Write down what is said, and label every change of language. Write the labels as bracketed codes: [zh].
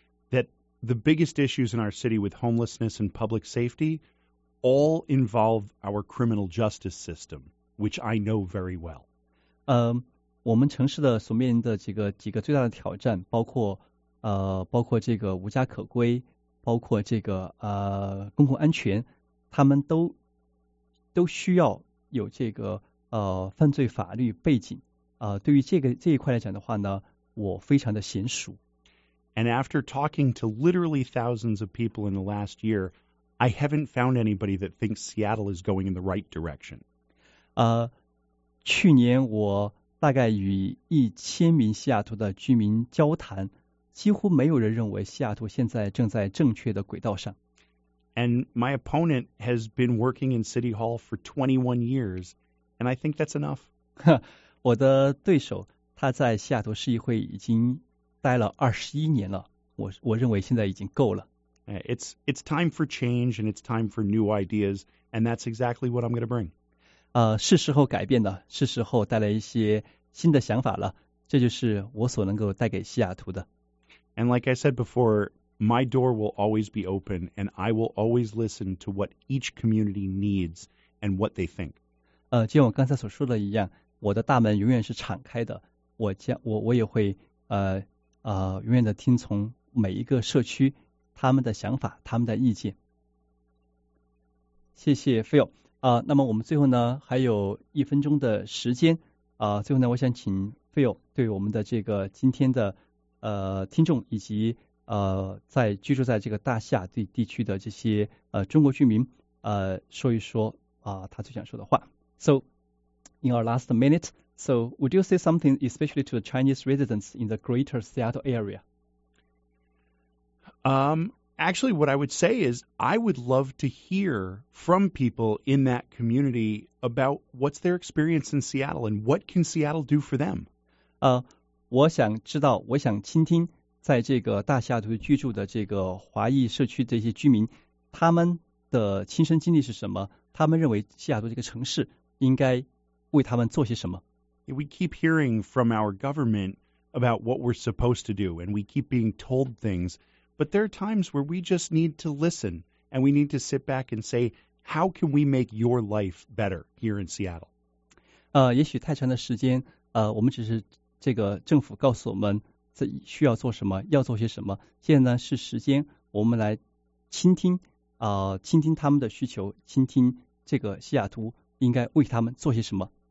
[en] That the biggest issues in our city with homelessness and public safety all involve our criminal justice system, which I know very well. [zh] 我们城市的所面临的几个最大的挑战，包括这个无家可归，包括这个公共安全，他们都需要有这个犯罪法律背景。对于这一块来讲的话呢，我非常的娴熟。 [en] And after talking to literally thousands of people in the last year, I haven't found anybody that thinks Seattle is going in the right direction. [zh] 去年我大概与1000名西雅图的居民交谈，几乎没有人认为西雅图现在正在正确的轨道上。 [en] And my opponent has been working in City Hall for 21 years, and I think that's enough. [zh] 我的对手他在西雅图市议会已经待了21年了，我认为现在已经够了。 [en] It's time for change and it's time for new ideas, and that's exactly what I'm going to bring. [zh] 是时候改变了，是时候带来一些新的想法了，这就是我所能够带给西雅图的。 [en] And like I said before, my door will always be open and I will always listen to what each community needs and what they think. [zh] 就像我刚才所说的一样，我的大门永远是敞开的，我也会永远的听从每一个社区他们的想法，他们的意见。谢谢 Phil。那么我们最后呢还有1分钟的时间，最后呢我想请 Phil 对我们的这个今天的听众以及在居住在这个大西雅图地区的这些中国居民说一说他最想说的话。 [en] So in our last minute, so would you say something especially to the Chinese residents in the greater Seattle area? Actually, what I would say is I would love to hear from people in that community about what's their experience in Seattle and what can Seattle do for them. [zh] 我想知道，我想倾听在这个大西雅图居住的这个华裔社区这些居民，他们的亲身经历是什么？他们认为西雅图这个城市应该为他们做些什么？ [en] We keep hearing from our government about what we're supposed to do, and we keep being told things. But there are times where we just need to listen and we need to sit back and say, how can we make your life better here in Seattle? [zh] 也许太长的时间，我们只是这个政府告诉我们需要做什么，要做些什么。现在呢是时间我们来倾听，倾听他们的需求，倾听这个西雅图应该为他们做些什么。